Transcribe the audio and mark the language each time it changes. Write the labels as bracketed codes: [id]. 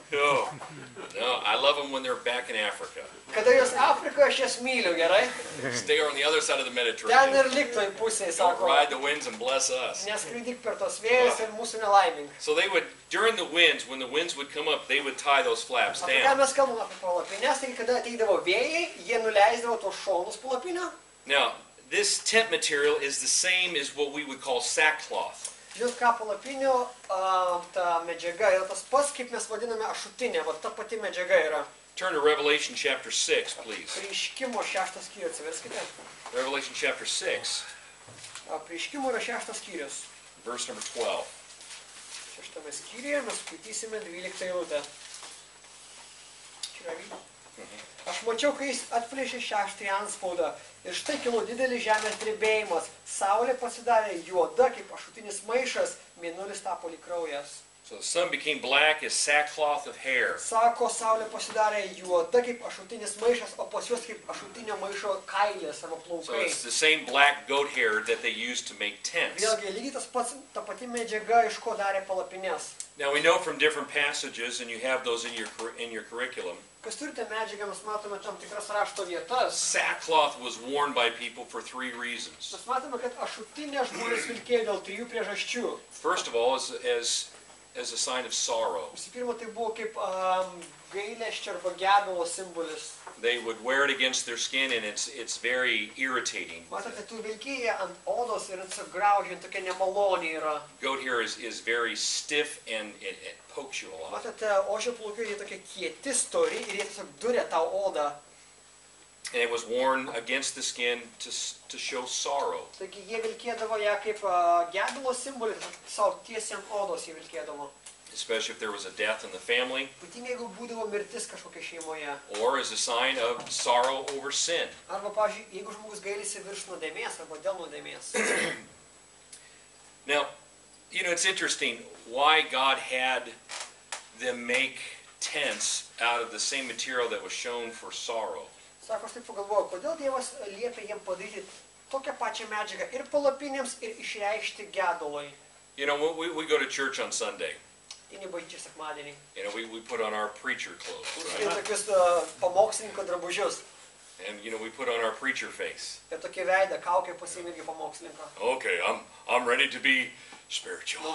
[en] No, I love them when they're back in Africa. [lt] Kada jos Afrikoje, aš jas myliu, gerai? [en] Stay on the other side of the Mediterranean. [lt] Ten ir lik toj pusėj, sako. [en] Don't ride the winds and bless us. [lt] Neskridik per tos vėjus ir mūsų nelaimink. [en] So they would, during the winds, when the winds would come up, they would tie those flaps down. [lt] Apie ką mes kalbam apie palapinės, tai kada ateidavo vėjai, jie nuleisdavo tos šonus palapinę. [en] Now, this tent material is the same as what we would call sackcloth. [lt] Jūs ką palapinio ta medžiaga yra tas pats, kaip mes vadiname ašutinė, va ta pati medžiaga yra. [en] Turn to Revelation chapter 6, please. [lt] Apreiškimo šeštas skyrius, atsiverskite. [en] Revelation chapter 6. [lt] Apreiškimo yra šeštas skyrius. [en] Verse number 12. [lt] Šeštame skyriuje mes skaitysime 12 eilutę. Aš mačiau, kai jis atplėšė šeštąjį antspaudą. Ir štai kilo didelis žemės drebėjimas. Saulė pasidarė juoda, kaip ašutinis maišas. Mėnulis tapo lyg kraujas. [en] So the sun became black as sackcloth of hair. [lt] Sako, saulė pasidarė juoda, kaip ašutinis maišas, o pas juos kaip ašutinio maišo kailės arba plaukai. [en] So it's the same black goat hair that they used to make tents. [lt] Vėlgi, lygiai tas pats, ta pati medžiaga, iš ko darė palapinės. [en] Now we know from different passages, and you have those in your curriculum. [lt] Kas turite medžiagą, mes matome tam tikras rašto vietas. [en] Sackcloth was worn by people for three reasons. [lt] Mes matome, kad ašutinė žmonės vilkėjo dėl trijų priežasčių. [en] First of all, as a sign of sorrow. [lt] Visų pirma, tai buvo kaip gailesčio arba gedulo simbolis. [en] They would wear it against their skin and it's very irritating. [lt] Matote, tu vilkėjai ant odos ir atsigraužiant, tokia nemalonė yra. [en] Goat hair is very stiff and it pokes you a lot. [lt] Matote, ožio plaukai yra tokie kieti, stori ir jie tiesiog duria tau odą. [en] And it was worn against the skin to show sorrow. [lt] Taigi jie vilkėdavo ją kaip gedulo simbolį, savo tiesiam odos jie vilkėdavo. [en] Especially if there was a death in the family. [lt] Ypatingai jeigu būdavo mirtis kažkokia šeimoje. [en] Or as a sign of sorrow over sin. [lt] Arba, pavyzdžiui, jeigu žmogus gailisi virš nuodėmės arba dėl nuodėmės. [en] Now, you know, it's interesting why God had them make tents out of the same material that was shown for sorrow. [lt] Sako, aš taip pagalvojau, kodėl Dievas liepė jiem padaryti tokią pačią medžiagą ir palapinėms, ir išreikšti gedului. [en] You know, we go to church on Sunday. You know, we put on our preacher clothes, right? And, you know, we put on our preacher face. Okay, I'm ready to be spiritual.